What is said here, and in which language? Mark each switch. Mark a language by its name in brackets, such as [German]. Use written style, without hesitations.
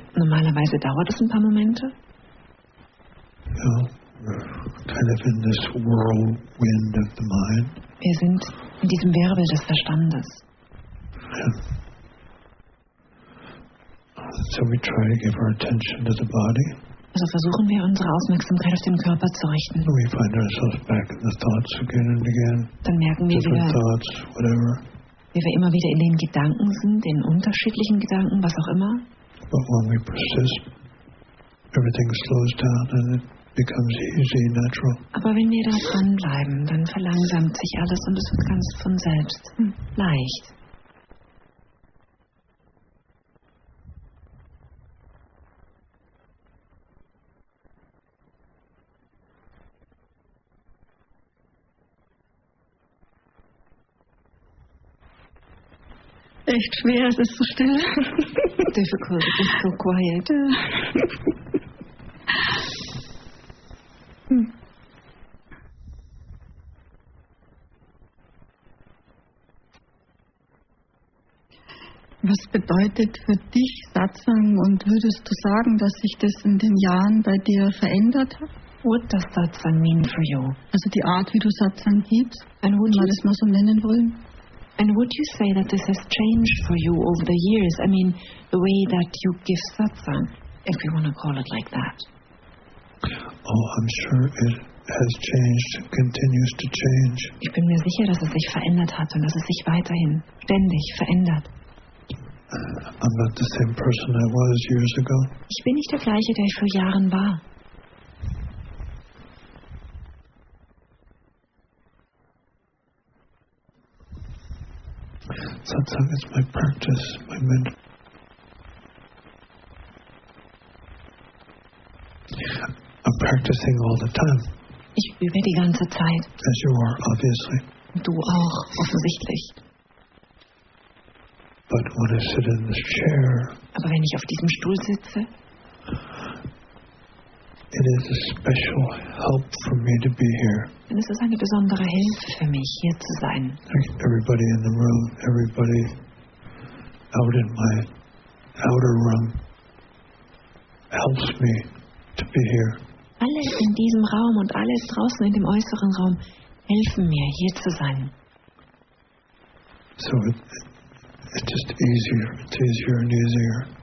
[German] Normalerweise dauert es ein paar Momente. [English] You know, we're kind of in this whirlwind of the mind. [German] Wir sind in diesem Wirbel des Verstandes. [English] So we try to give our attention to the body. [German] Also versuchen wir unsere Aufmerksamkeit auf den Körper zu richten. [English] We find ourselves back in the thoughts again and again. [German] Dann merken wir [English] different [German] wieder, [English] thoughts, whatever. [German] Wie wir immer wieder in den Gedanken sind, in unterschiedlichen Gedanken, was auch immer. [English] But when we persist, everything slows down and it becomes easy and natural. [German] Aber wenn wir da dranbleiben, dann verlangsamt sich alles und es wird ganz von selbst leicht. Echt schwer, es ist so still. [English] Difficult, it is so quiet. [German] Was bedeutet für dich Satsang und würdest du sagen, dass sich das in den Jahren bei dir verändert hat? [English] What does Satsang mean for you? [German] Also die Art, wie du Satsang gibst, wenn wir das mal so nennen wollen. [English] And would you say that this has changed for you over the years? I mean, the way that you give satsang, if you want to call it like that. Oh, I'm sure it has changed, continues to change. [German] Ich bin mir sicher, dass es sich verändert hat und dass es sich weiterhin ständig verändert. [English] I'm not the same person I was years ago. [German] Ich bin nicht der gleiche, der ich vor Jahren war. [English] Satsang is my practice, my mental. I'm practicing all the time. [German] Ich übe die ganze Zeit. [English] As you are, obviously. [German] Du auch, offensichtlich. [English] But when I sit in this chair. [German] Aber wenn ich auf diesem Stuhl sitze. [English] It is a special help for me to be here. [German] Und es ist eine besondere Hilfe für mich, hier zu sein. [English] Everybody in the room, everybody out in my outer room helps me to be here. [German] Alle in diesem Raum und alle draußen in dem äußeren Raum helfen mir, hier zu sein. [English] So it's just easier, it's easier and easier.